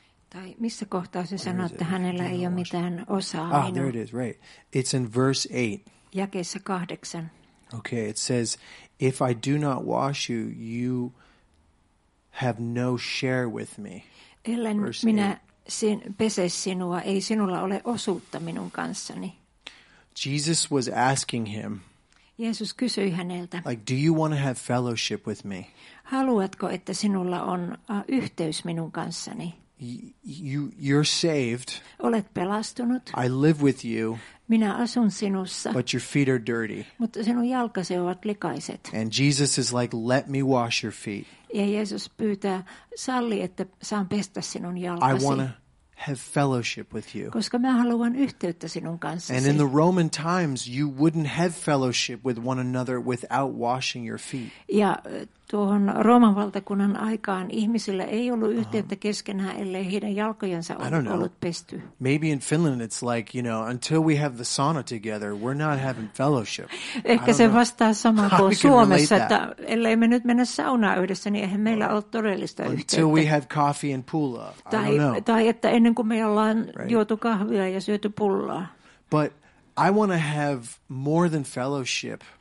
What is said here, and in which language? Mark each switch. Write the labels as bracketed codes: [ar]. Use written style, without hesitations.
[fi] Tai missä kohtaa se sanoo, että hänellä ei ole mitään osaa minua. [en] Ah, there it is, right. It's in verse 8. [fi] Jakeessa 8. [en] Okay, it says, if I do not wash you, you have no share with me. [fi] Ellen, minä pese sinua, ei sinulla ole osuutta minun kanssani. [en] Jesus was asking him, [fi] Jeesus kysyi häneltä, [en] like, do you want to have fellowship with me? [fi] Haluatko, että sinulla on yhteys minun kanssani? [en] you're saved. [fi] Olet pelastunut. [en] I live with you. [fi] Minä asun sinussa. [en] But your feet are dirty. [fi] Mutta sinun jalkasi ovat likaiset. [en] And Jesus is like, let me wash your feet. [fi] Ja Jeesus pyytää, salli, että saan pestä sinun jalkasi. [en] I want to have fellowship with you. [fi] Koska mä haluan yhteyttä sinun kanssasi. [en] And in the Roman times, you wouldn't have fellowship with one another without washing your feet. [fi] Ja tuohon Rooman valtakunnan aikaan ihmisillä ei ollut yhteyttä keskenään, ellei heidän jalkojensa ollut pesty. [en] Maybe in Finland it's like, you know, until we have the sauna together, we're not having fellowship. [fi] Ehkä se vastaa samaan kuin Suomessa, että ellei me nyt mennä saunaan yhdessä, niin eihän meillä ole todellista yhteyttä. [en] Until we have coffee and pulla. [fi] Tai että ennen kuin me ollaan juotu kahvia ja syöty pullaa. [en] But I want to have more than fellowship.